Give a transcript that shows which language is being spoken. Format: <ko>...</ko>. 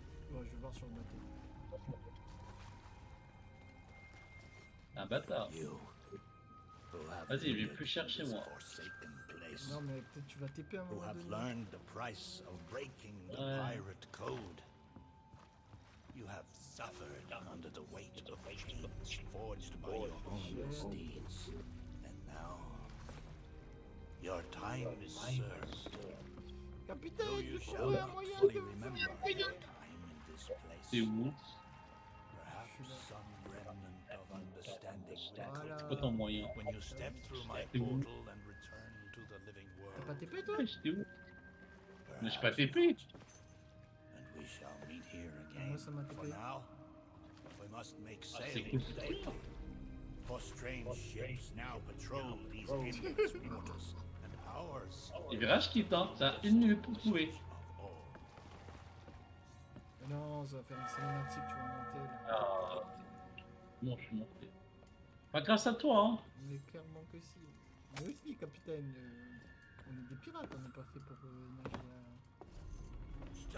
<fr>Bon, je vais voir sur le bateau. Un bâtard! Vas-y, je vais plus chercher moi! Non mais peut-être tu vas TP un moment.</fr> <en>Who have learned the price of breaking the pirate code. You have suffered under the weight of chains forged by your own misdeeds. And now your time is served.</en> <fr>Capitaine, tu trouves un moyen de me faire un</fr> <en>time in this place.</en> <fr>C'est où?</fr> <en>Perhaps some remnant of understanding.</en> <fr>C'est pas ton moyen.</fr> <en>When you step through my portal and return.</en> <fr>T'as pas TP toi? Mais j'étais où? Mais j'ai pas TP!</fr> <en>And we shall meet here again.</en> <fr>Ah, ça m'a TP. Ah, c'est cool.</fr> <en>For strange ships now patrol these endless waters, and ours.</en> <fr>Il verra ce qu'il tente, t'as une minute pour trouver. Non, ça va faire une cinématique, tu vas monter là. Non, je suis monté. Pas grâce à toi, hein. Mais clairement que si. Mais aussi, capitaine, on est des pirates, on est pas fait pour nager là.</fr>